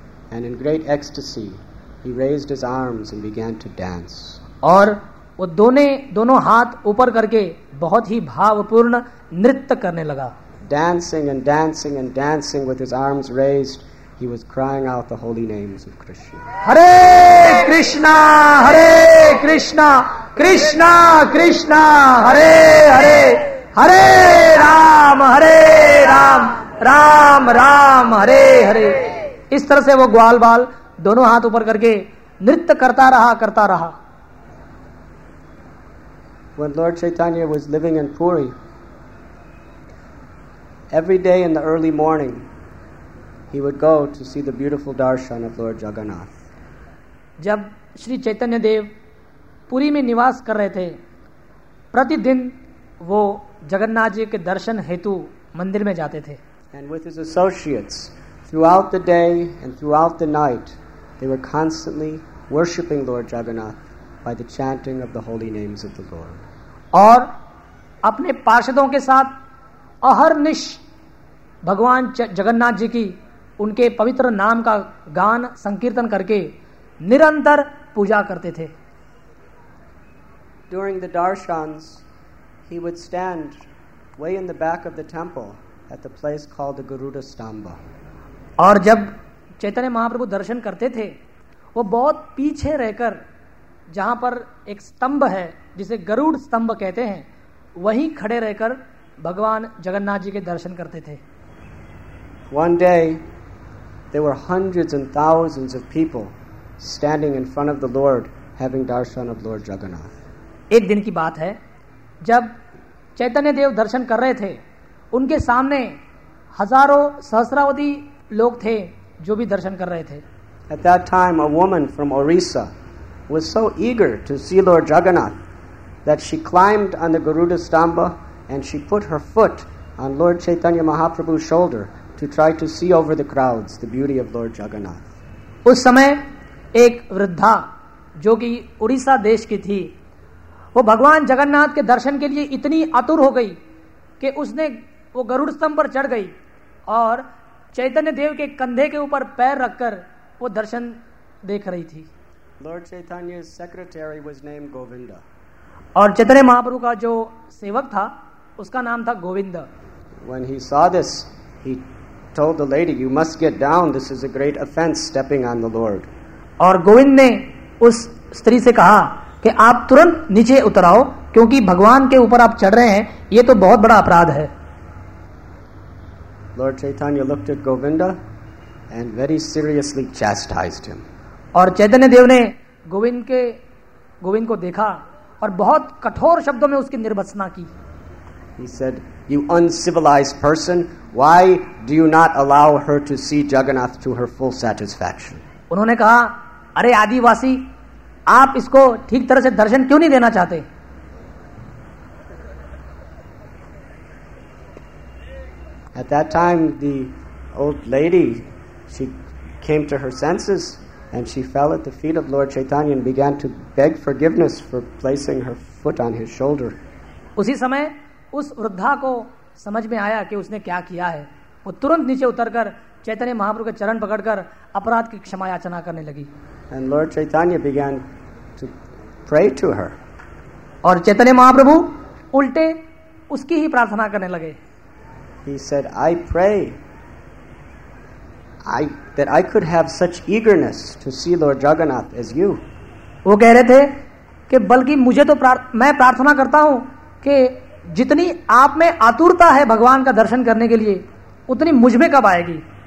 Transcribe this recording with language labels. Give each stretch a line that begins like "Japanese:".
English: And in great ecstasy, he raised his arms and began to dance.
Hindi: और वो दोनों हाथ ऊपर करके बहुत ही भावपूर्ण नृत्य करने लगा.
English: Dancing and dancing and dancing with his arms raised, he was crying out the holy names of Krishna.
Sanskrit: Hare Krishna, Hare Krishna, Krishna Krishna, Hare Hare, Hare Ram, Hare Ram, Ram Ram, Hare Hare.
Hindi: इस तरह से वो ग्वाल बाल दोनों हाथ ऊपर करके नृत्य करता रहा.
English: When Lord Chaitanya was living in Puri, every day in the early morning, he would go to see the beautiful darshan of Lord Jagannath.
Hindi: जब श्री चैतन्य देव पुरी में निवास कर रहे थे, प्रतिदिन वो जगन्नाथ जी के दर्शन हेतु मंदिर में जाते थे.
English: And with his associates, throughout the day and throughout the night, they were constantly worshipping Lord Jagannath by the chanting of the holy names of the Lord.
Hindi: और अपने पार्षदों के साथ अहर्निश भगवान जगन्नाथ जी की उनके पवित्र नाम का गान संकीर्तन करके निरंतर पूजा करते थे.
English: During the darshans, he would stand way in the back of the temple at the place called the Garuda Stamba.
Hindi: और जब चैतन्य महाप्रभु दर्शन करते थे वो बहुत पीछे रहकर जहां पर एक स्तंभ है जिसे गरुड़ स्तंभ कहते हैं वहीं खड़े रहकर भगवान जगन्नाथ जी के दर्शन करते थे.
English: One day there were hundreds and thousands of people standing in front of the Lord having darshan of Lord Jagannath.
Hindi: एक दिन की बात है जब चैतन्य देव दर्शन कर रहे थे, उनके सामने हजारों सहस्रावधि लोग थे जो भी दर्शन कर रहे थे।
English: At that time, a woman from Orissa was so eager to see Lord Jagannath that she climbed on the Garuda Stamba and she put her foot on Lord Chaitanya Mahaprabhu's shoulder to try to see over the crowds the beauty of Lord Jagannath.
Hindi: उस समय एक वृद्धा जो कि उड़ीसा देश की थी, वो भगवान जगन्नाथ के दर्शन के लिए इतनी आतुर हो गई कि उसने वो गरुड़ स्तंभ पर चढ़ गई और चैतन्य देव के कंधे के ऊपर पैर रखकर वो दर्शन देख रही थी।
English: Lord Chaitanya's secretary was named Govinda.
Hindi: और चैतन्य महाप्रभु का जो सेवक था उसका नाम था Govind.
English: When he saw this, he told the lady, "You must get down. This is a great offense, stepping on the Lord."
Hindi: और गोविंद ने उस स्त्री से कहा कि आप तुरंत नीचे उतराओ क्योंकि भगवान के ऊपर आप चढ़ रहे हैं, ये तो बहुत बड़ा अपराध है।
English: Lord Chaitanya looked at Govinda and very seriously chastised him.
Hindi: और चैतन्य देव ने गोविंद को देखा और बहुत कठोर शब्दों में उसकी निर्भत्सना की।
English: He said, "You uncivilized person, why do you not allow her to see Jagannath to her full satisfaction?"
Hindi: उन्होंने कहा, अरे आदिवासी, आप इसको ठीक तरह से दर्शन क्यों नहीं देना चाहते?
English: At that time, the old lady, she came to her senses and she fell at the feet of Lord Chaitanya and began to beg forgiveness for placing her foot on his shoulder.
Hindi: उसी समय उस वृद्धा को समझ में आया कि उसने क्या किया है। वो तुरंत नीचे उतरकर चैतन्य महाप्रभु के चरण पकड़कर अपराध की क्षमा याचना करने लगी।
English: And Lord Chaitanya began to pray to her.
Hindi: और चैतन्य महाप्रभु उल्टे उसकी ही प्रार्थना करने लगे।
English: He said, I pray that I could have such eagerness to see Lord Jagannath as you.
Hindi: वो कह रहे थे कि बल्कि मुझे तो मैं प्रार्थना करता हूं कि जितनी आप में आतुरता है भगवान का दर्शन करने के लिए उतनी मुझ में कब आएगी?